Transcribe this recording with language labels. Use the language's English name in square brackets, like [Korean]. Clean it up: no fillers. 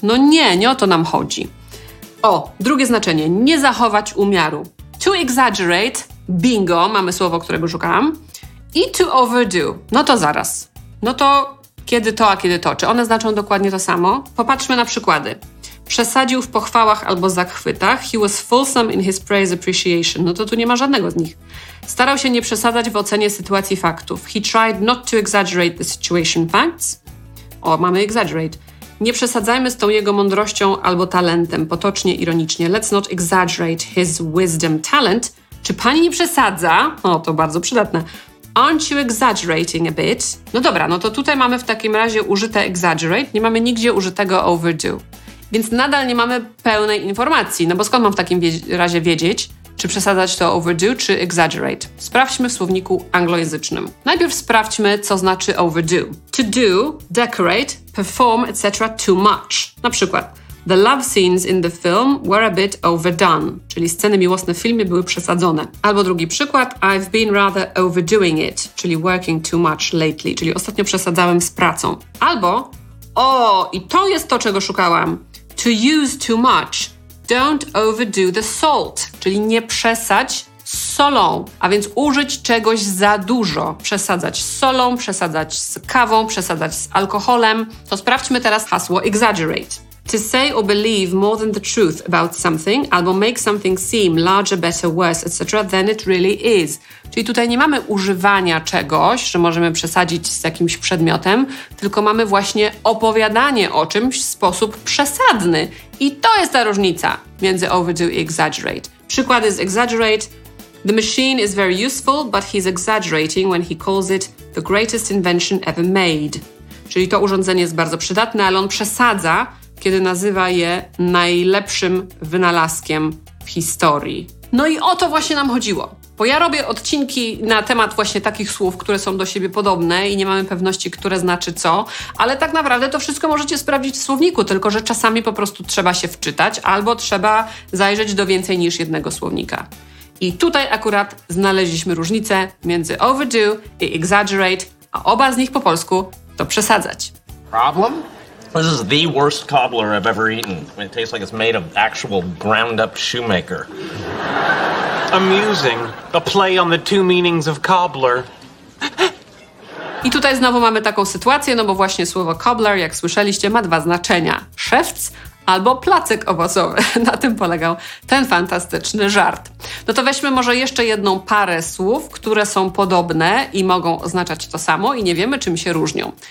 [Polish] No nie, nie o to nam chodzi. O, drugie znaczenie, nie zachować umiaru. [English] To exaggerate, [Polish] bingo, mamy słowo, którego szukałam. I to overdo, no to zaraz. No to kiedy to, a kiedy to? Czy one znaczą dokładnie to samo? Popatrzmy na przykłady. Przesadził w pochwałach albo zachwytach. [English] He was fulsome in his praise appreciation. [Polish] No to tu nie ma żadnego z nich. Starał się nie przesadzać w ocenie sytuacji faktów. [English] He tried not to exaggerate the situation facts. [Polish] O, mamy exaggerate. Nie przesadzajmy z tą jego mądrością albo talentem. Potocznie, ironicznie. [English] Let's not exaggerate his wisdom talent. [Polish] Czy pani nie przesadza? O, to bardzo przydatne. [English] Aren't you exaggerating a bit? [Polish] No dobra, no to tutaj mamy w takim razie użyte exaggerate, nie mamy nigdzie użytego overdo. Więc nadal nie mamy pełnej informacji, no bo skąd mam w takim razie wiedzieć, czy przesadzać to overdo, czy exaggerate? Sprawdźmy w słowniku anglojęzycznym. Najpierw sprawdźmy, co znaczy overdo. [English] To do, decorate, perform, etc. too much. [Polish] Na przykład, [English] the love scenes in the film were a bit overdone, [Polish] czyli sceny miłosne w filmie były przesadzone. Albo drugi przykład, [English] I've been rather overdoing it, [Polish] czyli [English] working too much lately, [Polish] czyli ostatnio przesadzałem z pracą. Albo, o, i to jest to, czego szukałam, [English] to use too much, don't overdo the salt, [Polish] czyli nie przesadź z solą, a więc użyć czegoś za dużo. Przesadzać z solą, przesadzać z kawą, przesadzać z alkoholem. To sprawdźmy teraz hasło exaggerate. [English] To say or believe more than the truth about something albo make something seem larger, better, worse, etc. than it really is. [Polish] Czyli tutaj nie mamy używania czegoś, że możemy przesadzić z jakimś przedmiotem, tylko mamy właśnie opowiadanie o czymś w sposób przesadny. I to jest ta różnica między overdo i exaggerate. Przykład jest exaggerate. [English] The machine is very useful, but he's exaggerating when he calls it the greatest invention ever made. [Polish] Czyli to urządzenie jest bardzo przydatne, ale on przesadza, kiedy nazywa je najlepszym wynalazkiem w historii. No i o to właśnie nam chodziło. Bo ja robię odcinki na temat właśnie takich słów, które są do siebie podobne i nie mamy pewności, które znaczy co, ale tak naprawdę to wszystko możecie sprawdzić w słowniku, tylko że czasami po prostu trzeba się wczytać albo trzeba zajrzeć do więcej niż jednego słownika. I tutaj akurat znaleźliśmy różnicę między overdo i exaggerate, a oba z nich po polsku to przesadzać. [English] Problem? This is the worst cobbler I've ever eaten. I mean, it tastes like it's made of actual ground-up shoemaker. Amusing. A play on the two meanings of cobbler. [Polish] I tutaj znowu mamy taką sytuację, no bo właśnie słowo cobbler, jak słyszeliście, ma dwa znaczenia. Szewc albo placek owocowy. Na tym polegał ten fantastyczny żart. No to weźmy może jeszcze jedną parę słów, które są podobne i mogą oznaczać to samo i nie wiemy, czym się różnią.